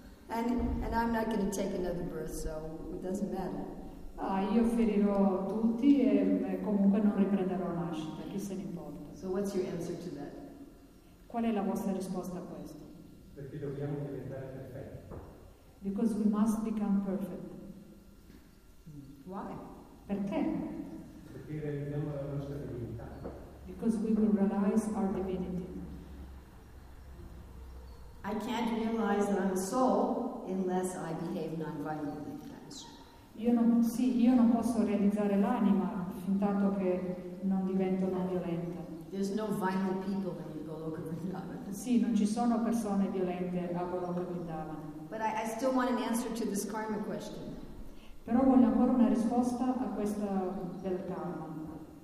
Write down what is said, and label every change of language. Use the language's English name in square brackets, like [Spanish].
[English] And I'm not going to take another birth, so it doesn't matter. [Italian] Ah, io ferirò tutti e comunque non riprenderò nascita. Chi se ne importa? [English] So what's your answer to that? [Italian] Qual è la vostra risposta a questo? Perché dobbiamo diventare perfetti. [English] Because we must become perfect. Why? [Italian] Perché? Perché realizziamo la nostra divinità. [English] Because we will realize our divinity. I can't realize that I'm a soul unless I behave non-violently. [Italian] Io non posso realizzare l'anima fin tanto che non divento non violenta. [English] There's no violent people in Goloka Vrindavan. [Italian] Sì, non ci sono persone violente a Goloka Vrindavan. [English] But I still want an answer to this karma question. [Italian] Però voglio ancora una risposta a questa del karma.